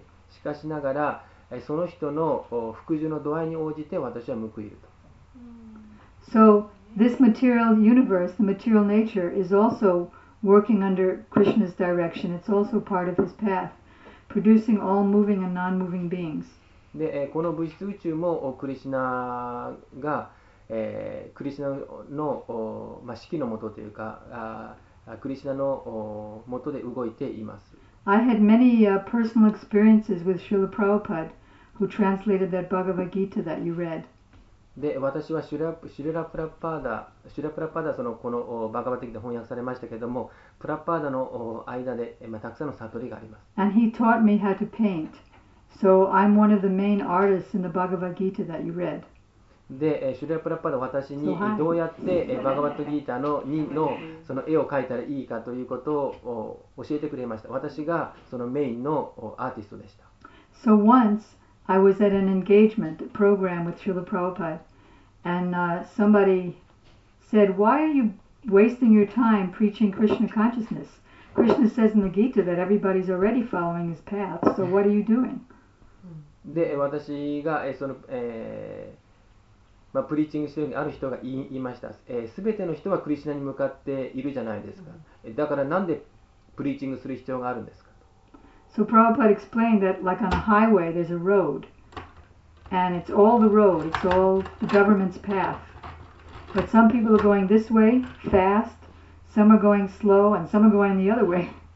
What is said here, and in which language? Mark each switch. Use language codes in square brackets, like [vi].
[ja] しかしながら、その人の服従の度合いに応じて私は報いると。 [en] So, this material universe, the material nature, is also working under Krishna's direction. It's also part of his path, producing all moving and non-moving beings. [ja] で、この物質宇宙もクリシナが、クリシナの、まあ、指揮のもとというか、クリシナのもとで動いています。 [en] I had many personal experiences with Srila Prabhupada, who translated that Bhagavad Gita that you read. [ja] で私はシュラプラパーダ、そのこのバガヴァッド・ギータで翻訳されましたけれども、プラパーダの間で、まあ、たくさんの悟りがあります。 [en] And he taught me how to paint. So I'm one of the main artists in the Bhagavad Gita that you read. [ja] で、シュラプラパーダは私にどうやってバガヴァッド・ギータの2のその絵を描いたらいいかということを教えてくれました。私がそのメインのアーティストでした。 [en] So once,I was at an engagement program with Srila Prabhupada, and somebody said, why are you wasting your time preaching Krishna consciousness? Krishna says in the Gita that everybody's already following his path, so what are you doing? [ja] で、私がその、まあ、プリーチングしているある人が言いました。すべての人はクリシナに向かっているじゃないですか。だからなんでプリーチングする必要があるんですか？ [en] So Prabhupada explained that like on a highway there's a road and it's all the road, it's all the government's path. But some people are going this way, fast, some are going slow and some are going the other way.